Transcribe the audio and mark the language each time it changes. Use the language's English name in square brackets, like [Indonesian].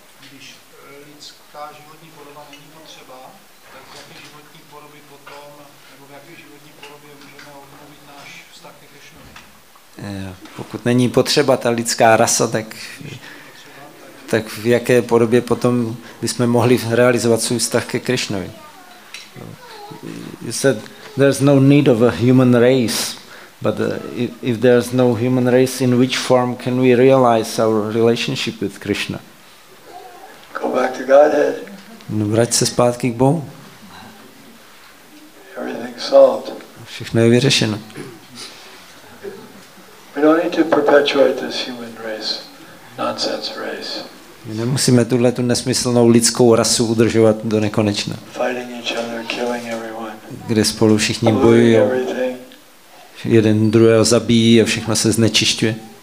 [Czech] Když lidská životní podoba není potřeba, tak v jaké životní podobě potom, nebo v jaké životní podobě můžeme obnovit náš vztah ke Krišnovi? Pokud není potřeba ta lidská rasa, tak v jaké podobě potom bychom mohli realizovat svůj vztah ke Krišnovi? [English] You said there's no need of a human race, but if there's no human race, in which form can we realize our relationship with Krishna? Go back to Godhead. [Czech] No, vrať se zpátky k Bohu. [English] Everything's solved. [Czech] Všechno je vyřešeno. [English] We don't need to perpetuate this human race, nonsense race. [Czech] My nemusíme tuhle tu nesmyslnou lidskou rasu udržovat do nekonečna. [English] Fighting each other, killing everyone. [Czech] Kde spolu všichni bojují, jeden druhého zabíjí a všechno se znečišťuje.